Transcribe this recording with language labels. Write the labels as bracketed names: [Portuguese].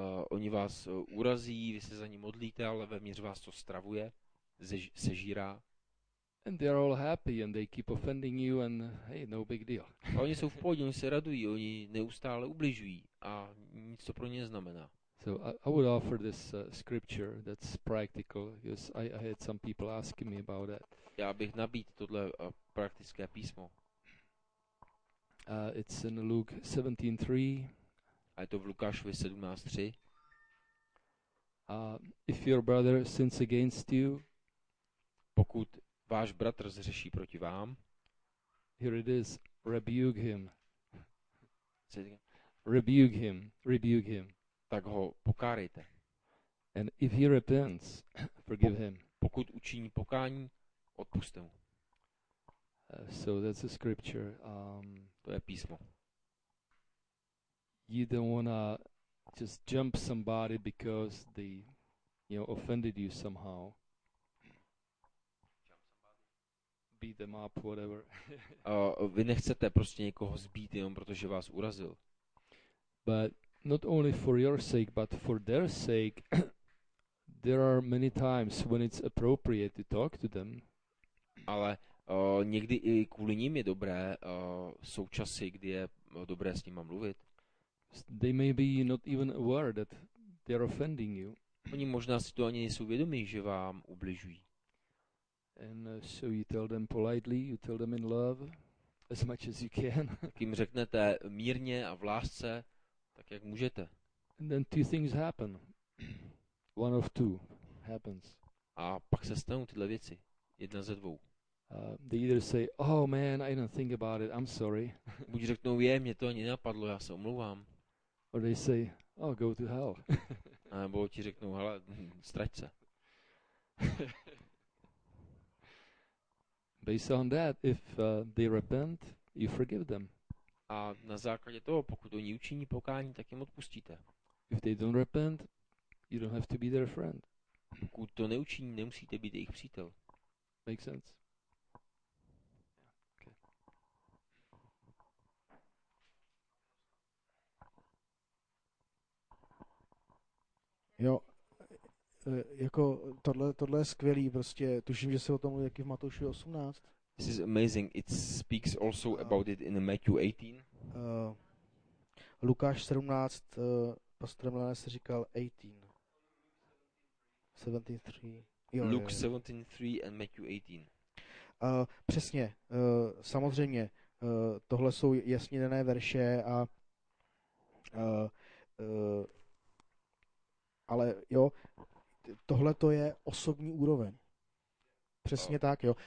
[Czech] Oni vás urazí, vy se za ní modlíte, ale vevnitř vás to stravuje, sežírá. [English] And they're all happy and they keep offending you and hey, no big deal. [Czech] A oni jsou v pohodě, oni se radují, oni neustále ubližují a nic to pro ně neznamená. [English] So I would offer this scripture that's practical because I had some people asking me about that. [Czech] Já bych nabídl tohle praktické písmo. [English] It's in Luke 17:3. [Czech] A je to v Lukášovi 17:3. [English] If your brother sins against you, [Czech] pokud váš bratr zřeší proti vám, [English] here it is, rebuke him. Say it again. Rebuke him. [Czech] Tak ho pokárejte. [English] And if he repents, forgive him. [Czech] Pokud učiní pokání, odpuste mu. [English] So that's a scripture. [Czech] To je písmo. [English] You don't wanna just jump somebody because they, you know, offended you somehow. Jump somebody. Beat them up, whatever. [Czech] Vy nechcete prostě někoho zbít jenom protože vás urazil. [English] But not only for your sake, but for their sake, there are many times when it's appropriate to talk to them. [Czech] Ale někdy i kvůli ním je dobré, jsou časy, kdy je dobré s nima mluvit. [English] They may be not even aware that they are offending you. [Czech] Oni možná si to ani nejsou vědomí, že vám ubližují. [English] And so you tell them politely, you tell them in love, as much as you can. [Czech] Tak jim řeknete mírně a v lásce, tak jak můžete. [English] And then two things happen. One of two happens. [Czech] A pak se stanou tyhle věci. Jedna ze dvou. [English] They either say, oh man, I didn't think about it, I'm sorry. [Czech] Buď řeknou, je, mě to ani nenapadlo, já se omlouvám. [English] Or they say, oh, go to hell. [Czech] A nebo ti řeknou, hele, strať se. [English] Based on that, if they repent, you forgive them. [Czech] A na základě toho, pokud oni učiní pokání, tak jim odpustíte. [English] If they don't repent, you don't have to be their friend. [Czech] Pokud to neučiní, nemusíte být jejich přítel. [English] Make sense? [Czech] Jo, jako tohle je skvělý, prostě tuším, že se o tom mluví taky v Matouši 18. [English] This is amazing, it speaks also about it in Matthew 18. [Czech] Lukáš 17, pastor Mlené se říkal 18. 17.3. [English] Luke 17.3 and Matthew 18. [Czech] Přesně, samozřejmě, tohle jsou jasně dané verše a ale jo, tohle to je osobní úroveň. Přesně tak, jo.